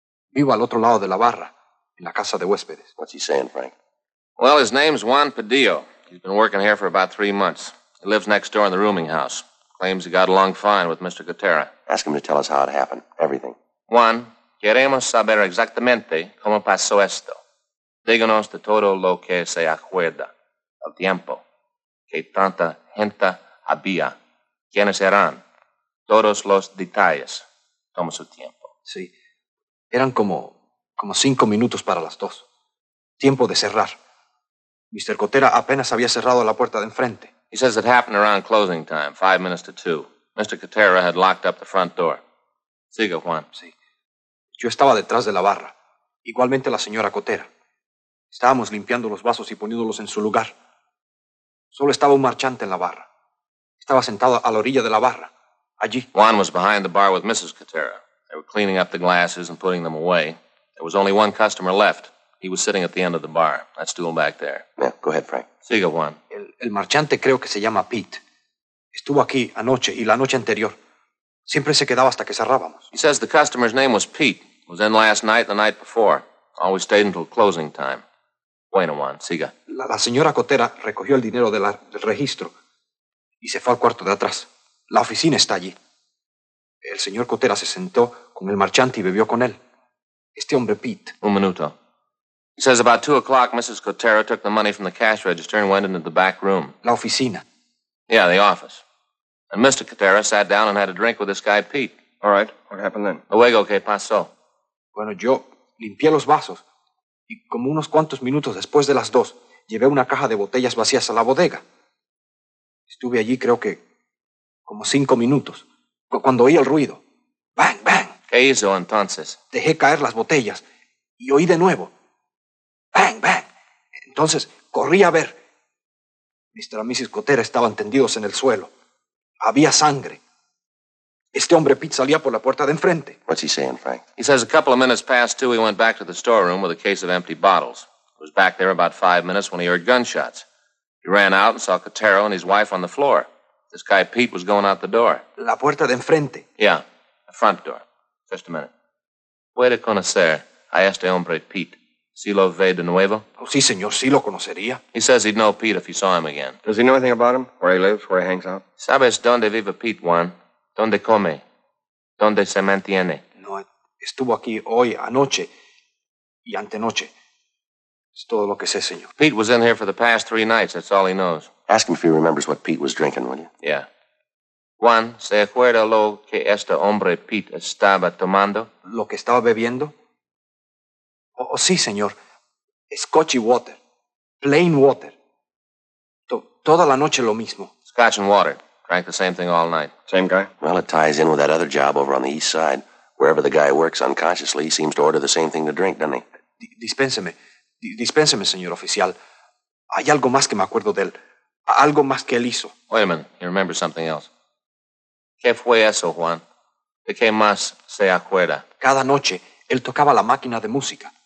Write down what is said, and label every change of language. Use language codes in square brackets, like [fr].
[es] Vivo al otro lado de la barra, en la casa de huéspedes. [en] What's he saying, Frank? Well, his name's Juan Pedillo. He's been working here for about 3 months. He lives next door in the rooming house. Claims he got along fine with Mr. Cotero. Ask him to tell us how it happened. Everything. [es] Juan, queremos saber exactamente cómo pasó esto. Díganos de todo lo que se acuerda, el tiempo, que tanta gente había, quiénes eran, todos los detalles. Toma su tiempo. Sí, eran como 5 minutos para las 2. Tiempo de cerrar. Mr. Cotera apenas había cerrado la puerta de enfrente. [en] He says it happened around closing time, 5 minutes to 2. Mr. Cotera had locked up the front door. [es] Siga, Juan. Sí. Yo estaba detrás de la barra, igualmente la señora Cotera. Estábamos limpiando los vasos y poniéndolos en su lugar. Solo estaba un marchante en la barra. Estaba sentado a la orilla de la barra, allí. [en] Juan was behind the bar with Mrs. Cotera. They were cleaning up the glasses and putting them away. There was only one customer left. He was sitting at the end of the bar, that stool back there. Yeah, go ahead, Frank. [es] Siga, Juan. El marchante creo que se llama Pete. Estuvo aquí anoche y la noche anterior. Siempre se quedaba hasta que cerrábamos. [en] He says the customer's name was Pete. Was in last night and the night before. Always stayed until closing time. [es] Bueno, Juan, siga. La señora Cotera recogió el dinero del registro y se fue al cuarto de atrás. La oficina está allí. El señor Cotera se sentó con el marchante y bebió con él. Este hombre, Pete. Un minuto. [en] He says about 2 o'clock, Mrs. Cotera took the money from the cash register and went into the back room. [es] La oficina. [en] Yeah, the office. And Mr. Cotera sat down and had a drink with this guy, Pete. All right, what happened then? [es] Luego, ¿qué pasó? Bueno, yo limpié los vasos. Y como unos cuantos minutos después de las 2, llevé una caja de botellas vacías a la bodega. Estuve allí, creo que, como 5 minutos. Cuando oí el ruido. ¡Bang, bang! ¿Qué hizo entonces? Dejé caer las botellas. Y oí de nuevo. ¡Bang, bang! Entonces, corrí a ver. Mr. y Mrs. Cotera estaban tendidos en el suelo. Había sangre. Este hombre, Pete, salía por la puerta de enfrente. [en] What's he saying, Frank? He says a couple of minutes past 2, he went back to the storeroom with a case of empty bottles. He was back there about 5 minutes when he heard gunshots. He ran out and saw Cotero and his wife on the floor. This guy, Pete, was going out the door. [es] La puerta de enfrente. [en] Yeah, the front door. Just a minute. [es] Puede conocer a este hombre, Pete. ¿Si lo ve de nuevo? Oh, sí, señor, sí lo conocería. [en] He says he'd know Pete if he saw him again. Does he know anything about him? Where he lives, where he hangs out? [es] ¿Sabes dónde vive Pete, Juan? ¿Dónde come? ¿Dónde se mantiene? No, estuvo aquí hoy, anoche y antenoche. Es todo lo que sé, señor. [en] Pete was in here for the past 3 nights. That's all he knows. Ask him if he remembers what Pete was drinking, will you? Yeah. [es] Juan, ¿se acuerda lo que este hombre Pete estaba tomando? ¿Lo que estaba bebiendo? Oh, sí, señor. Scotch y water. [en] Plain water. [es] Toda la noche lo mismo. [en] Scotch and water. Drank the same thing all night. Same guy? Well, it ties in with that other job over on the east side. Wherever the guy works unconsciously, he seems to order the same thing to drink, doesn't he? [es] Dispénseme, señor oficial. Hay algo más que me acuerdo de él. Algo más que él hizo. [en] Wait a minute. He remembers something else. [es] ¿Qué fue eso, Juan? ¿De qué más se acuerda? Cada noche, él tocaba la máquina de música.